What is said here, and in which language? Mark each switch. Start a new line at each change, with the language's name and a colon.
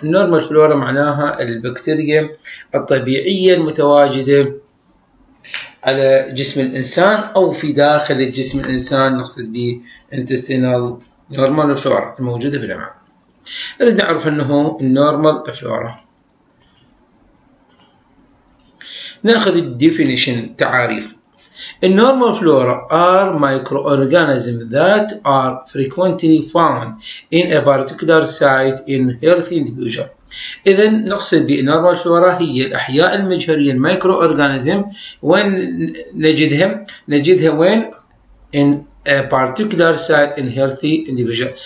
Arabic: النورمال فلورا معناها البكتيريا الطبيعيه المتواجده على جسم الإنسان أو في داخل الجسم الإنسان، نقصد به intestinal normal flora الموجودة في الأمعاء. أريد نعرف أنه normal flora، نأخذ definition تعاريف.
English: النورمال flora are microorganisms that are frequently found in a particular site in healthy individual.
Arabic: إذا نقصد بالنورمال فلورا هي الأحياء المجهرية، المايكرو أورجانيزم، وين نجدهم؟ نجدها وين؟
English: in a particular site in healthy individual.